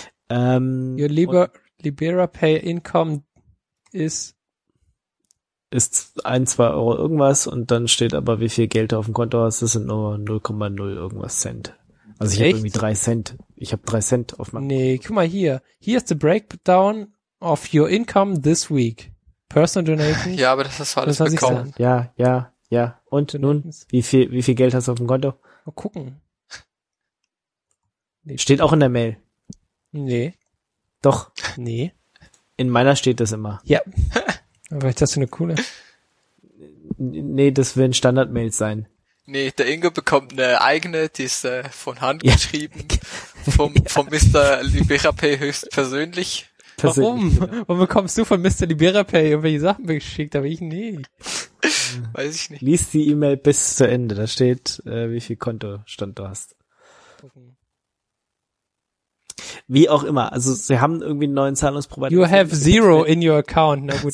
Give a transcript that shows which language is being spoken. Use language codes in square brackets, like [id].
[en] Your Libera Pay Income [de] ist 1-2 Euro irgendwas und dann steht aber, wie viel Geld du auf dem Konto hast. Das sind nur 0,0 irgendwas Cent. Also ich habe irgendwie 3 Cent. Ich habe 3 Cent auf meinem. Nee, guck mal hier. [en] Here is the breakdown of your income this week. Personal donations. [de] Ja, aber das hast du alles bekommen. Ja, ja, ja. Und donations. Nun, wie viel Geld hast du auf dem Konto? Mal gucken. Nee. Steht auch in der Mail. Nee. Doch. Nee. In meiner steht das immer. Ja. Aber ist das eine coole? Nee, das werden Standard-Mails sein. Nee, der Ingo bekommt eine eigene, die ist von Hand geschrieben, vom Mr. Liberapay höchstpersönlich. Warum? Warum bekommst du von Mr. Liberapay irgendwelche Sachen geschickt, aber ich nicht? Weiß ich nicht. Lies die E-Mail bis zu Ende, da steht, wie viel Kontostand du hast. Wie auch immer, also sie haben irgendwie einen neuen Zahlungsprovider. [en] You have zero in your account, [de] na gut,